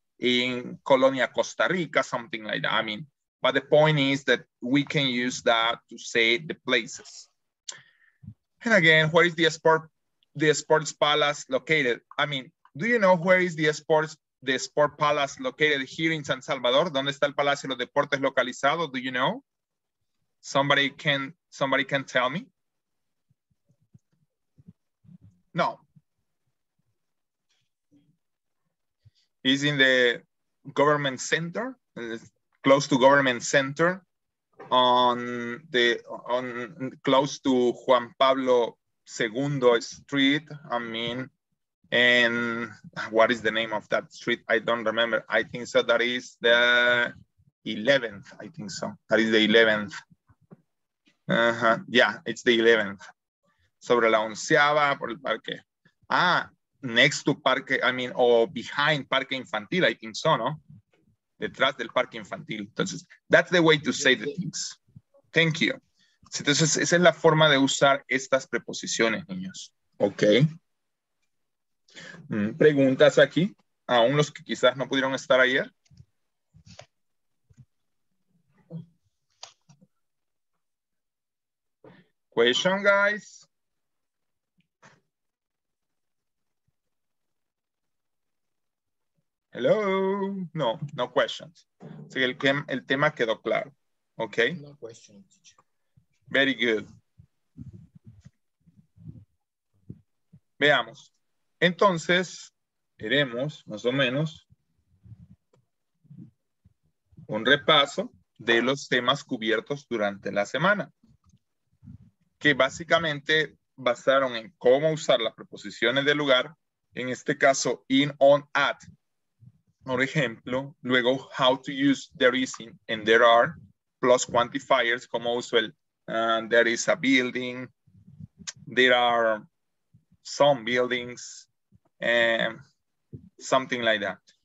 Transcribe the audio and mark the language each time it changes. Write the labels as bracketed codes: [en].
[en] In Colonia Costa Rica, something like that, I mean. But the point is that we can use that to say the places. And again, where is the sports palace located? I mean, do you know where is the sport palace located here in San Salvador? [es] ¿Dónde está el Palacio de los Deportes localizado? [en] Do you know? Somebody can tell me? No. Is in the government center, close to government center, on close to Juan Pablo II Street. I mean, and what is the name of that street? I don't remember. I think so. That is the 11th. I think so. That is the 11th. Yeah, it's the 11th. [es] Sobre la onceava por el parque. [en] Ah, next to parque, I mean, or behind [es] parque infantil, [en] I think so, no? [es] Detrás del parque infantil. [en] Entonces, that's the way to say the things. Thank you. [es] Entonces, esa es la forma de usar estas preposiciones, niños. Ok. ¿Preguntas aquí? Aún los que quizás no pudieron estar ayer. [en] Question, guys. Hello. No, no questions. [es] Así que el tema quedó claro. Ok. [en] No questions, teacher. Very good. [es] Veamos. Entonces, veremos más o menos un repaso de los temas cubiertos durante la semana, que básicamente basaron en cómo usar las preposiciones de lugar, en este caso, in, on, at. Por ejemplo, luego, [en] how to use there is in and there are, plus quantifiers, [es] como uso el [en] there is a building, there are some buildings, something like that.